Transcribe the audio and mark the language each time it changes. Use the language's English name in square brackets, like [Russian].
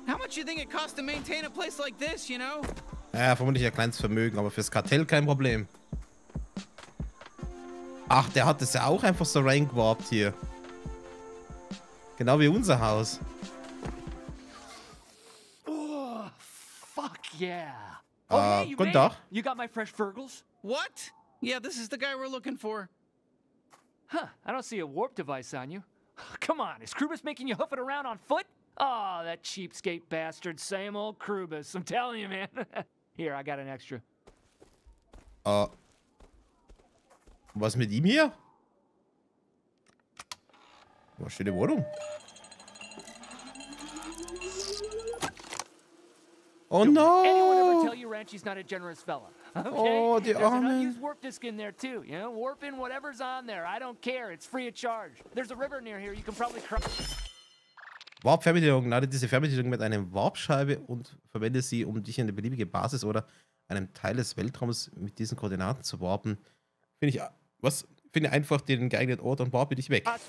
[English] How much you think it costs to maintain a place like this, you know? [German] Ja, vermutlich ein kleines Vermögen, aber fürs Kartell kein Problem. Ach, der hat es ja auch einfach so reingewarpt hier. Genau wie unser Haus. [English] Oh, fuck yeah. [German] Guten Tag. [English] You got my fresh Virgles? What? Yeah, this is the guy we're looking for. Huh, I don't see a warp device on you. Come on, is Krubus making you hoof it around on foot? Oh, that cheapskate bastard, same old Krubus. I'm telling you, man. Here, I got an extra. [German] Was mit ihm hier? Was für eine Wohnung? [English] Oh no! Anyone ever tell you Ranchi's not a generous fella? Okay? Oh, the unused warp disk in there too. You know, warp in whatever's on there. I don't care. It's free of charge. There's a river near here. You can probably cross. [German] Warp-Fernbedienung. Lade diese Fernbedienung mit einem Warp-Scheibe und verwende sie, um dich in eine beliebige Basis oder einem Teil des Weltraums mit diesen Koordinaten zu warpen. Finde ich, was? Finde einfach den geeigneten Ort und warpe dich weg.